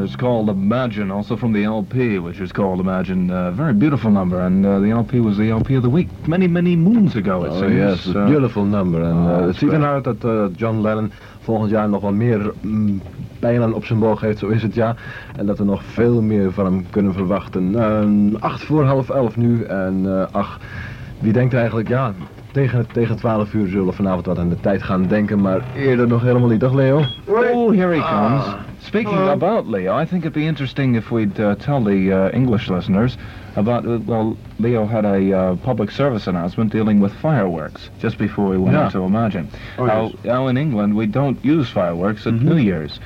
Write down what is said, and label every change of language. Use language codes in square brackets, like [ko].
[en] It's called Imagine, also from the LP, which is called Imagine. Very beautiful number, and the LP was the LP of the week many, many moons ago, it seems. Oh, yes, a beautiful number. And it's even hard that [nl] John Lennon volgend jaar nog wel meer pijlen op zijn boog heeft, zo is het, ja. En dat we nog veel meer van hem kunnen verwachten. 8:30 nu, en ach, wie denkt eigenlijk, ja, tegen 12 uur zullen we vanavond wat aan de tijd gaan denken, maar eerder nog helemaal niet. Dag Leo. [en] Oh, here he comes. Speaking about Leo, I think it'd be interesting if we'd tell the English listeners about, Leo had a public service announcement dealing with fireworks just before we went to Imagine. Now in England we don't use fireworks at New Year's.